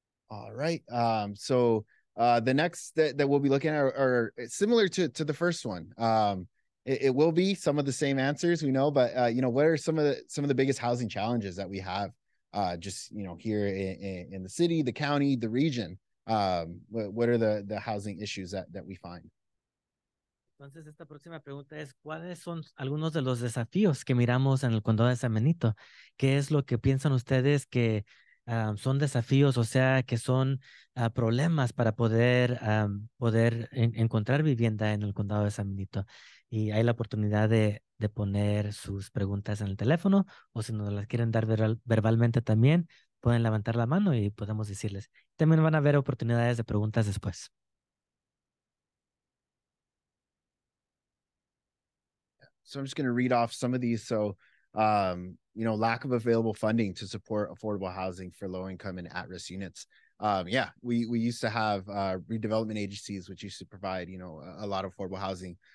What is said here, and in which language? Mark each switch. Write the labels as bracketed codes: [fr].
[en] All right, the next that we'll be looking at are similar to the first one. It will be some of the same answers, we know, but you know, what are some of the biggest housing challenges that we have just, you know, here in the city, the county, the region? What are the housing issues that we find? [es] Entonces, esta próxima pregunta es, ¿cuáles son algunos de los desafíos que miramos en el condado de San Benito? ¿Qué es lo que piensan ustedes que son desafíos, o sea, que son problemas para poder encontrar vivienda en el condado de San Benito? Y hay la oportunidad de poner sus preguntas en el teléfono, o si nos las quieren dar verbalmente también, pueden levantar la mano y podemos decirles. También van a haber oportunidades de preguntas después. [en] So I'm just going to read off some of these. So, you know, lack of available funding to support affordable housing for low income and at risk units. Yeah, we used to have redevelopment agencies, which used to provide, you know, a lot of affordable housing.